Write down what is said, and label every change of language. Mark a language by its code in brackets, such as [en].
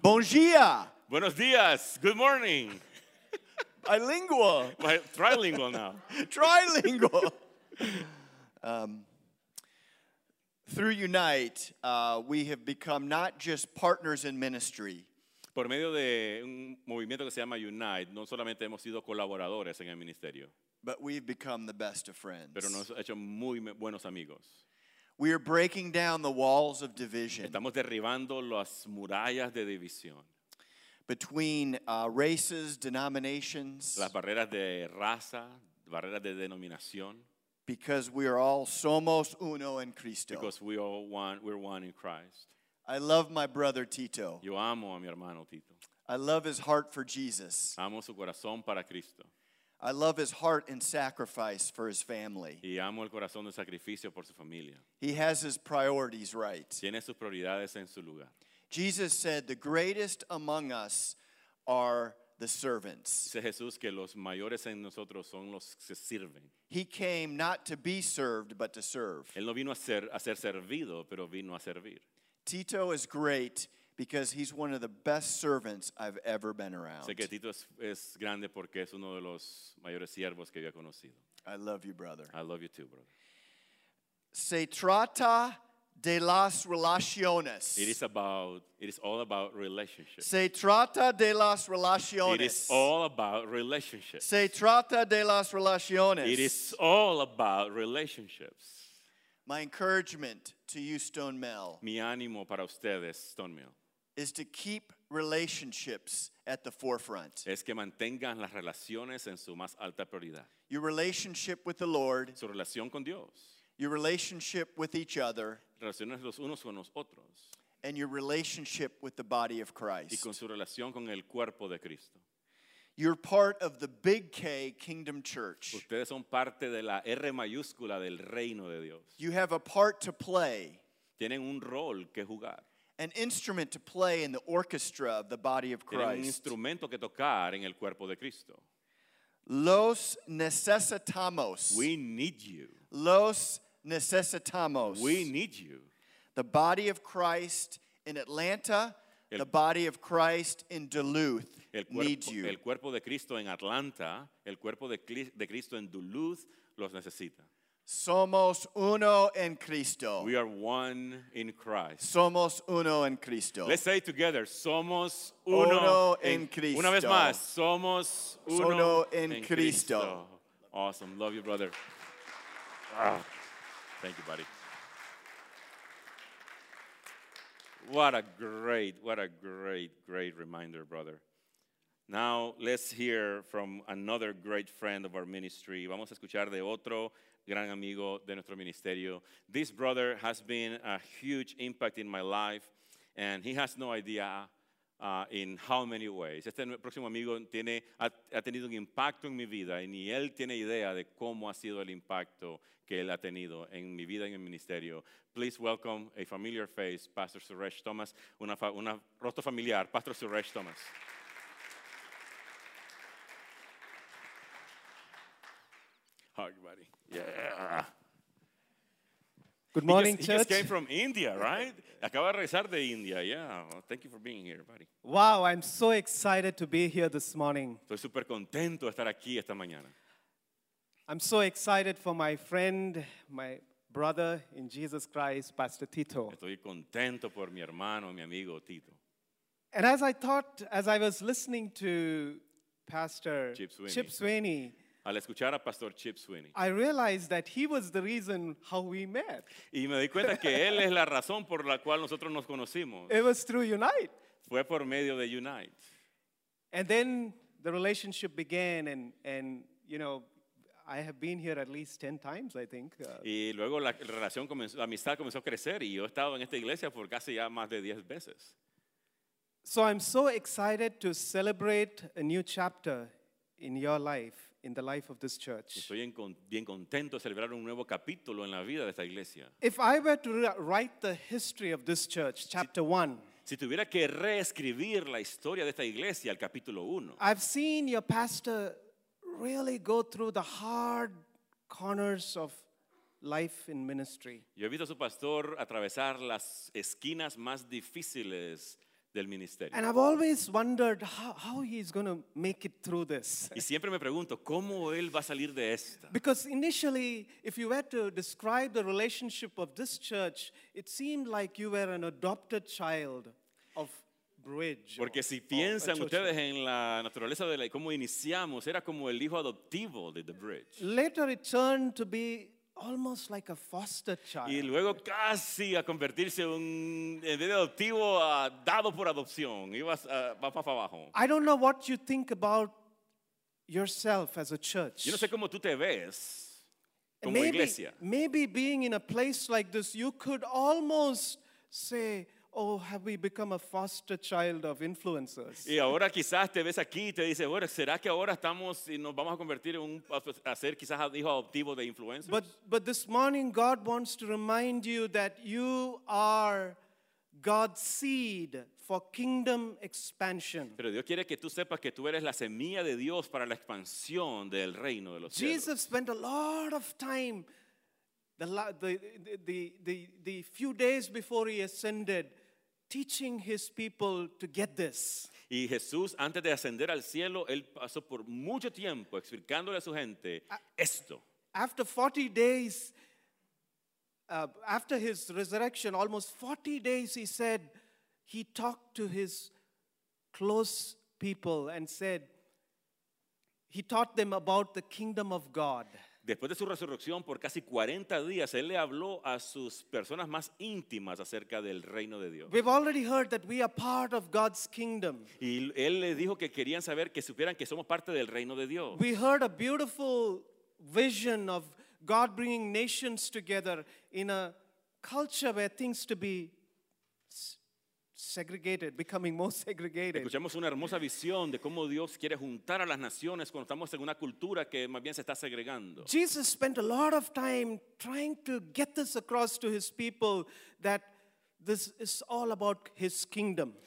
[ca] Bon dia. [es] Buenos dias. [en] Good morning. Bilingual. Trilingual now. Trilingual. Through Unite, we have become not just partners in ministry. [es] Por medio de un movimiento que se llama Unite, no solamente hemos sido colaboradores en el ministerio. [en] But we've become the best of friends. [es] Pero nos hemos hecho muy buenos amigos. [en] We are breaking down the walls of division. [es] Estamos derribando las murallas de división. [en] Between races, denominations. [es] Las barreras de raza, barreras de denominación. [en] Because we are all [es] somos uno en Cristo. [en] Because we are one, we're one in Christ. I love my brother Tito. [es] Yo amo a mi hermano Tito. [en] I love his heart for Jesus. [es] Amo su corazón para Cristo. [en] I love his heart and sacrifice for his family. [es] Y amo el corazón de sacrificio por su familia. [en] He has his priorities right. [es] Tiene sus prioridades en su lugar. [en] Jesus said, "The greatest among us are the servants." [es] Dice Jesús que los mayores en nosotros son los que sirven. [en] He came not to be served, but to serve. [es] Él no vino a ser servido, pero vino a servir. [en] Tito is great because he's one of the best servants I've ever been around. [es] Sé que Tito es grande porque es uno de los mayores siervos que había conocido. [en] I love you, brother. I love you too, brother. [es] Se trata de las relaciones. [en] It is all about relationships. [es] Se trata de las relaciones. [en] It is all about relationships. [es] Se trata de las relaciones. [en] It is all about relationships. My encouragement to you, Stone Mill. [es] Mi ánimo para ustedes, Stone Mill. [en] Is to keep relationships at the forefront. [es] Es que mantengan las relaciones en su más alta prioridad. [en] Your relationship with the Lord. [es] Su relación con Dios. [en] Your relationship with each other. [es] Relaciones los unos con los otros. [en] And your relationship with the body of Christ. [es] Y con su relación con el cuerpo de Cristo. [en] You're part of the Big K Kingdom Church. [es] Ustedes son parte de la R mayúscula del reino de Dios. [en] You have a part to play. [es] Tienen un rol que jugar. [en] An instrument to play in the orchestra of the body of Christ. [es] Tienen un instrumento que tocar en el cuerpo de Cristo. Los necesitamos. [en] We need you. [es] Los necesitamos. [en] We need you. The body of Christ in Atlanta. The body of Christ in Duluth needs you. [es] El cuerpo de Cristo en Atlanta, el cuerpo de Cristo en Duluth los necesita. Somos uno en Cristo. [en] We are one in Christ. [es] Somos uno en Cristo. [en] Let's say it together. [es] Somos uno en Cristo. Una vez más. Somos uno en Cristo. [en] Awesome. Love you, brother. Thank you, buddy. What a great reminder, brother. Now let's hear from another great friend of our ministry. [es] Vamos a escuchar de otro gran amigo de nuestro ministerio. [en] This brother has been a huge impact in my life, and he has no idea in how many ways. [es] Este próximo amigo ha tenido un impacto en mi vida, y ni él tiene idea de cómo ha sido el impacto que él ha tenido en mi vida y en mi ministerio. [en] Please welcome a familiar face, Pastor Suresh Thomas. [es] Un rostro familiar, [en] Pastor Suresh Thomas. Hug, buddy. Yeah. Good morning, he church. He just came from India, right? [es] Acaba de regresar de India. [en] Yeah. Well, thank you for being here, buddy. Wow, I'm so excited to be here this morning. [es] Estoy super contento de estar aquí esta mañana. [en] I'm so excited for my friend, my brother in Jesus Christ, Pastor Tito. [es] Estoy contento por mi hermano, mi amigo Tito. [en] And as I thought, as I was listening to Pastor Chip Sweeney, [es] al escuchar a Pastor Chip Sweeney, [en] I realized that he was the reason how we met. [es] Y me di cuenta que él es la razón por la cual nosotros nos conocimos. [en] It was through Unite. [es] Fue por medio de Unite. [en] And then the relationship began, and you know, I have been here at least 10 times, I think. [es] Y luego la relación comenzó, la amistad comenzó a crecer, y yo he estado en esta iglesia por casi ya más de 10 veces. [en] So I'm so excited to celebrate a new chapter in your life. In the life of this church. [es] Estoy bien contento de celebrar un nuevo capítulo en la vida de esta iglesia. [en] If I were to write the history of this church, chapter 1. [es] Si tuviera que reescribir la historia de esta iglesia, el capítulo 1. [en] I've seen your pastor really go through the hard corners of life in ministry. [es] Yo he visto a su pastor atravesar las esquinas más difíciles del ministerio. [en] And I've always wondered how he's going to make it through this. [es] Y siempre me pregunto cómo él va a salir de esta. [en] Because initially, if you were to describe the relationship of this church, it seemed like you were an adopted child of Bridge. [es] Porque si piensan ustedes en la naturaleza de cómo iniciamos, era como el hijo adoptivo de The Bridge. [en] Later it turned to be almost like a foster child. [es] Y luego casi a convertirse en un adoptivo dado por adopción. [en] I don't know what you think about yourself as a church. [es] Yo no sé cómo tú te ves como iglesia. [en] Maybe being in a place like this, you could almost say, oh, have we become a foster child of influencers? [es] Y ahora quizás te ves aquí y te dices, bueno, ¿será que ahora estamos y nos vamos a convertir en hacer quizás hijo adoptivo de influencers? [en] But this morning God wants to remind you that you are God's seed for kingdom expansion. [es] Pero Dios quiere que tú sepas que tú eres la semilla de Dios para la expansión del reino de los cielos. [en] Jesus spent a lot of time the few days before he ascended, teaching his people to get this. [es] Y Jesús, antes de ascender al cielo, él pasó por mucho tiempo explicándole a su gente esto. [en] After 40 days, after his resurrection, almost 40 days, he said, he talked to his close people and said, he taught them about the kingdom of God. [es] Después de su resurrección, por casi 40 días, él le habló a sus personas más íntimas acerca del reino de Dios. [en] We've already heard that we are part of God's kingdom. [es] Y él le dijo que querían saber, que supieran que somos parte del reino de Dios. [en] We heard a beautiful vision of God bringing nations together in a culture where things to be segregated, becoming more segregated. [es] Escuchamos una hermosa visión de cómo Dios quiere juntar a las naciones cuando estamos en una cultura que más bien se está segregando. [en] Jesus spent a lot of time trying to get this across to his people that this is all about his kingdom.